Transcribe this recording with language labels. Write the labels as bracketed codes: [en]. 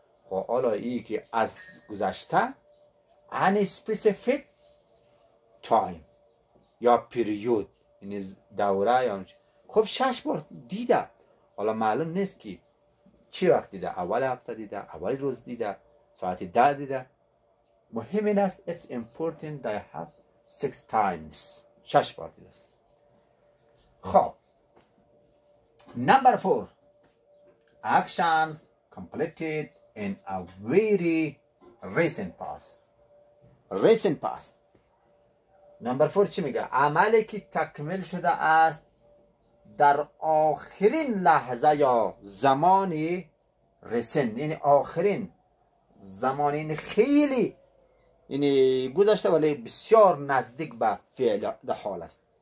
[fa] خب حالا ای که از گذشته [en] any specific time [fa] یا پیریود، این دوره یا اونچه، خب 6 بار دیده. حالا معلوم نیست که چی وقت دیده، اول هفته دیده، اول روز دیده، ساعت 10 دیده. مهم این است [en] it's important that I have 6 times، [fa] 6 بار دیده. [en] خب number 4، actions completed in a very recent past، recent past. [fa] number 4 چی میگه؟ عملی که تکمیل شده است در آخرین لحظه یا زمانی recent، یعنی آخرین زمانی، یعنی خیلی یعنی گذشته ولی بسیار نزدیک به فعل در حال است،